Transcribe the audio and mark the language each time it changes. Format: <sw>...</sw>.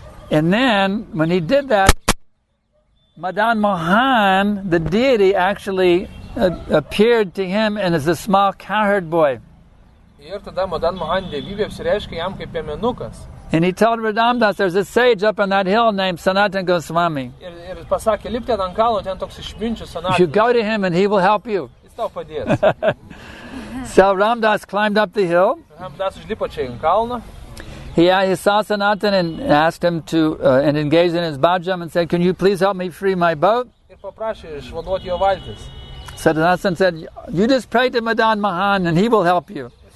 <en>And then, when he did that, Madan Mohan, the deity, actually appeared to him and as a small cowherd boy.</en> <lt>Ir tada Madan Mohan devybė apsireiškė jam kaip piemenukas.</lt> <en>And he told Radamdas, there's a sage up on that hill named Sanatana Goswami.</en> <lt>Ir pasakė, lipti ant kalno, ten toks išminčius Sanatana.</lt> <en>You go to him and he will help you.</en> <lt>Jis tau padės.</lt> <en>So Ramdas climbed up the hill.</en> <lt>Ramdas užlipo čia į kalną.</lt> <en>He saw Sanatana and asked him to and engaged in his bhajam and said, can you please help me free my boat?</en> <lt>Ir paprašė išvaduoti jo valtis.</lt> <en>Sanatana said, you just pray to Madan Mohan and he will help you.</en>